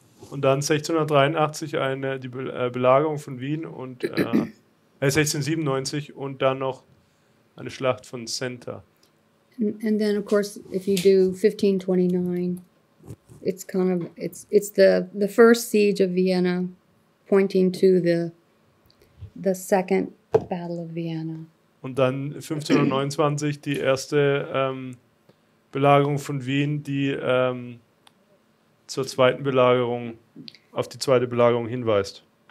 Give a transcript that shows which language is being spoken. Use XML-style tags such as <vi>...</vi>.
<de>Und dann 1683 eine die Belagerung von Wien und 1697 und dann noch eine Schlacht von Zenta.</de> <en>And then, of course, if you do 1529, it's kind of it's the first siege of Vienna, pointing to the second battle of Vienna.</en> <de>Und dann 1529 die erste Belagerung von Wien, die zur zweiten Belagerung auf die zweite Belagerung hinweist.</de>